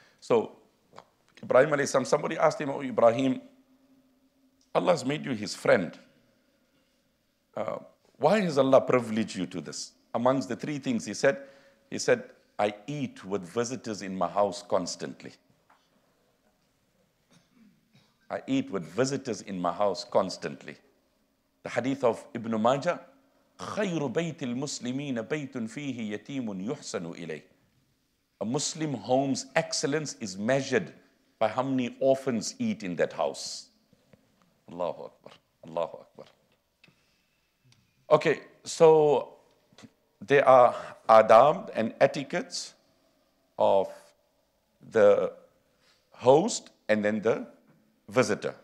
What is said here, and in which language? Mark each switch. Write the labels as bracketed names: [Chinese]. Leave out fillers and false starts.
[English] So Ibrahim alayhi salam, somebody asked him, oh Ibrahim, Allah has made you his friend. Why has Allah privileged you to this? Amongst the three things he said, I eat with visitors in my house constantly. I eat with visitors in my house constantly. The hadith of Ibn Majah, [Arabic] خَيْرُ بَيْتِ الْمُسْلِمِينَ بَيْتٌ فِيهِ يَتِيمٌ يُحْسَنُ إِلَيْهِ. [English] A Muslim home's excellence is measured by how many orphans eat in that house. Allahu Akbar, Allahu Akbar. Okay, so there are adab and etiquettes of the host and then the visitor.